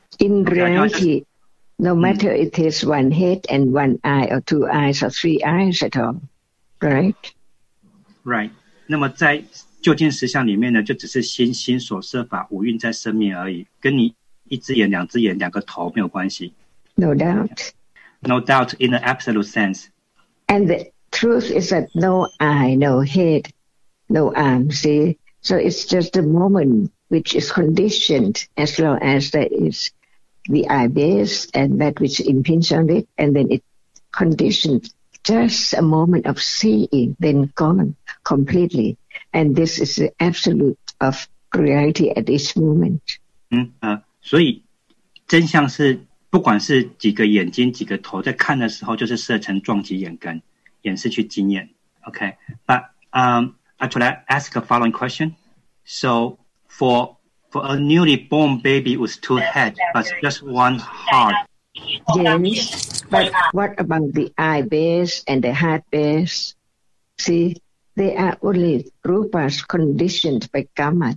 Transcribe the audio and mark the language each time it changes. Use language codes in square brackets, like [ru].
[en] In reality, no matter it is one head and one eye or two eyes or three eyes at all, right? Right. [zh] 那么在究竟实相里面呢，就只是心所设法五蕴在生命而已，跟你一只眼、两只眼、两个头没有关系。 [en] No doubt. No doubt in the absolute sense. And the truth is that no eye, no head, no arm, see? So it's just a moment which is conditioned as long as there is the eye base and that which impinges on it, and then it conditioned just a moment of seeing, then gone completely. And this is the absolute of reality at this moment. [zh] 所以真相是不管是几个眼睛几个头在看的时候，就是色尘撞击眼根，眼视去经验。 [en] Okay, but actually I ask a following question. So for a newly born baby with two heads but just one heart. Yes, but what about the eye base and the heart base? See, they are only rupas conditioned by karma.